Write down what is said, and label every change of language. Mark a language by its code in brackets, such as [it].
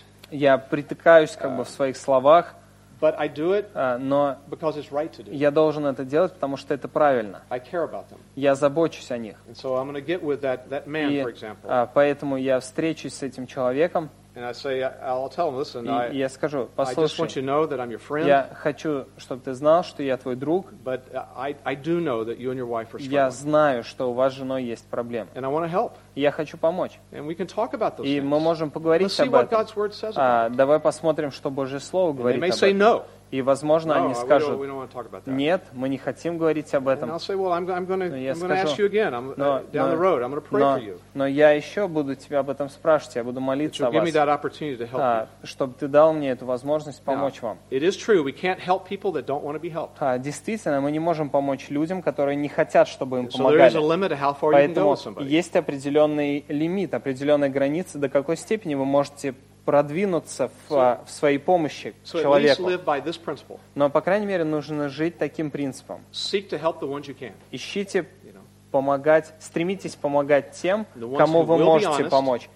[ru] Я притыкаюсь в своих словах. [en] But I do it because it's right to do. [ru] Я должен это делать, потому что это правильно. [en] I care about them. [ru] Я забочусь о них. [en] And so I'm going to get with that man, for example. [ru] Поэтому я встречусь с этим человеком. [en] And I say, I'll tell him, listen, [ru] я скажу, послушай, [en] I just want you to know that I'm your friend. [ru] Я хочу, чтобы ты знал, что я твой друг. [en] But I do know that you and your wife are struggling. [ru] Я знаю, что у вас с женой есть проблемы. [en] And I want to help. [ru] Я хочу помочь. [en] And we can talk about those [ru] и [en] things. [ru] Мы можем поговорить [en] Let's [ru] об этом. [en] See what God's word says about it. [ru] Давай посмотрим, что Божье Слово говорит [en] they may [ru] об этом. [en] Say no. [ru] И, возможно, [en] no, [ru] они скажут, [en] we don't want to talk about that. [ru] Нет, мы не хотим говорить об этом. [en] And I'll say, well, I'm going to ask you again, down the road, I'm going to pray for you. [ru] Но я еще буду тебя об этом спрашивать, я буду молиться [en] that you'll [ru] о вас, [en] give me that opportunity to help you. [ru] Чтобы ты дал мне эту возможность помочь вам. [en] It is true, we can't help people that don't want to be helped. [ru] Действительно, мы не можем помочь людям, которые не хотят, чтобы им помогали. Поэтому есть определенный лимит, определенная граница, до какой степени вы можете продвинуться в своей помощи человеку. Но, по крайней мере, нужно жить таким принципом. Ищите помогать, стремитесь помогать тем, кому вы можете помочь.